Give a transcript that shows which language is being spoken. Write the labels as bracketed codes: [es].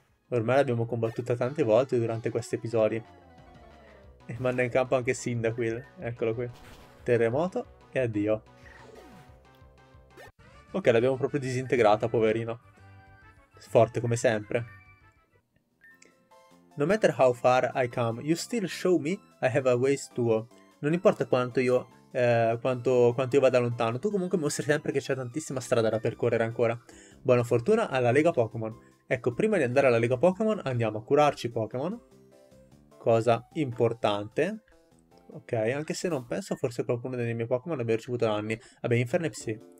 [it] Ormai l'abbiamo combattuta tante volte durante questi episodi. E manda in campo anche Cyndaquil, eccolo qui. Terremoto e addio. Ok, l'abbiamo proprio disintegrata, poverino. Forte come sempre. [en] No matter how far I come, you still show me I have a ways to go. [it] Non importa quanto io... Quanto io vada lontano, tu comunque mostri sempre che c'è tantissima strada da percorrere ancora. Buona fortuna alla Lega Pokémon. Ecco, prima di andare alla Lega Pokémon andiamo a curarci Pokémon, cosa importante. Ok, anche se non penso forse qualcuno dei miei Pokémon abbia ricevuto danni. Vabbè, Infernape sì.